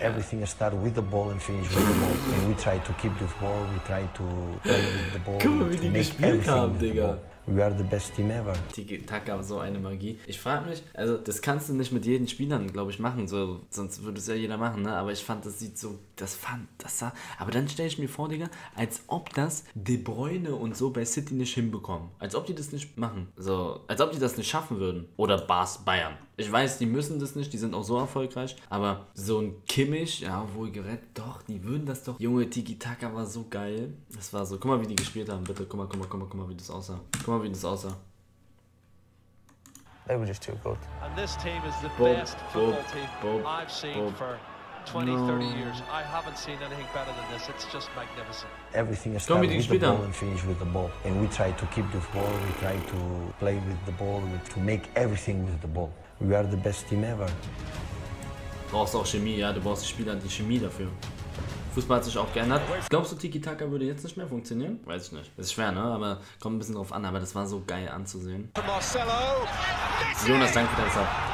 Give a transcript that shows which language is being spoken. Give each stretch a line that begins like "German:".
English: Everything starts with the ball and finishes with the ball. And we try to keep the ball, we try to play with the ball.
German: Guck mal, wie die gespielt haben, Digga.
English: We are the best team ever.
German: Tiki Taka, so eine Magie. Ich frag mich, also das kannst du nicht mit jedem Spielern, glaube ich, machen. So, sonst würde es ja jeder machen, ne? Aber ich fand, das sieht so, das fand, das sah. Aber dann stelle ich mir vor, Digga, als ob das De Bruyne und so bei City nicht hinbekommen. Als ob die das nicht machen. So, als ob die das nicht schaffen würden. Oder Bas Bayern. Ich weiß, die müssen das nicht, die sind auch so erfolgreich. Aber so ein Kimmich, ja, wohl gerettet, doch, die würden das doch. Junge, Tiki Taka war so geil. Das war so, guck mal, wie die gespielt haben, bitte. Guck mal, wie das aussah.
English: They were just too good. And this team is the best football team I've seen for 20, 30 years. I haven't seen anything better than this. It's just magnificent. Everything is done with the ball and finish with the ball. And we try to keep the ball, we try to play with the ball, to make everything with the ball. We are the best team ever.
German: Brauchst auch Chemie, ja, du brauchst die Spieler, die Chemie dafür. Fußball hat sich auch geändert. Glaubst du, Tiki-Taka würde jetzt nicht mehr funktionieren? Weiß ich nicht. Ist schwer, ne? Aber kommt ein bisschen drauf an. Aber das war so geil anzusehen. Jonas, danke für deinen Sub.